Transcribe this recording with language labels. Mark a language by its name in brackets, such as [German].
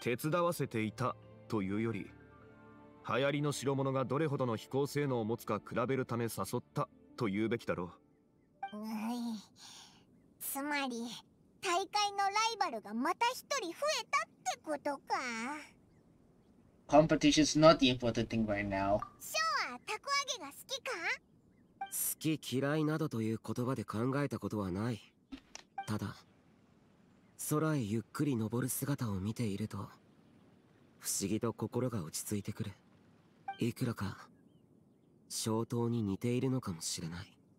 [Japanese] 手伝わせていたというより、流行りの代物がどれほどの飛行性能を持つか比べるため誘ったと言うべきだろう。つまり大会のライバルがまた一人増えたってことか。 [English] Competition is not the important thing right now. [Japanese] ショウはタコ揚げが好きか？好き嫌いなどという言葉で考えたことはない。ただ空へゆっくり登る姿を見ていると、不思議と心が落ち着いてくる。いくらか小刀に似ているのかもしれない。